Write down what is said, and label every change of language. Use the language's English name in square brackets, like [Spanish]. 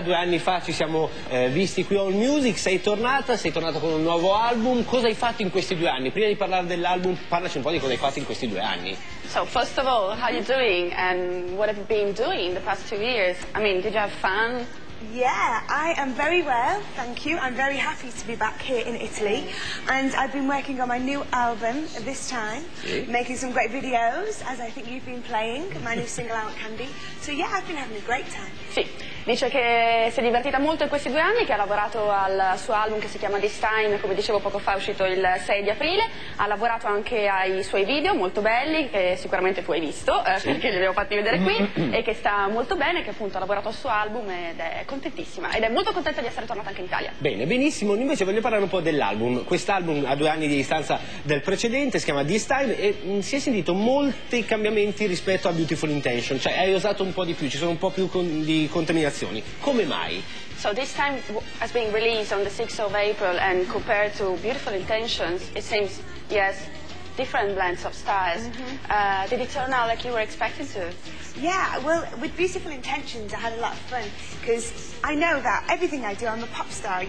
[Italian] 2 anni fa ci siamo visti qui a All Music. Sei tornata con un nuovo album. Cosa hai fatto in questi 2 anni? Prima di parlare dell'album, parlaci un po' di cosa hai fatto in questi 2 anni. [English] So, first of all, how are you doing and what have you been doing the past 2 years? I mean, did you have fun? Yeah, I am very well, thank you. I'm very happy to be back here in Italy. And I've been working on my new album this time, making some great videos, as I think you've been playing, my new single out, Candy. So yeah, I've been having a great time. [Italian] Sì, dice che si è divertita molto in questi 2 anni, che ha lavorato al suo album che si chiama This Time, come dicevo poco fa, è uscito il 6 di aprile. Ha lavorato anche ai suoi video, molto belli, che sicuramente tu hai visto, perché li abbiamo fatti vedere qui, e che sta molto bene, che appunto ha lavorato al suo album ed è contentissima ed è molto contenta di essere tornata anche in Italia. Bene, benissimo. Invece voglio parlare un po' dell'album. Quest'album ha 2 anni di distanza dal precedente, si chiama This Time, e si è sentito molti cambiamenti rispetto a Beautiful Intention, cioè hai osato un po' di più, ci sono un po' più di contaminazioni. Come mai? [English] So This Time has been released on the 6th of April and compared to Beautiful Intentions it seems, yes, different blends of styles. Did it turn out like you were expecting to? Yeah, well, with Beautiful Intentions, I had a lot of fun because I know that everything I do, I'm a pop star.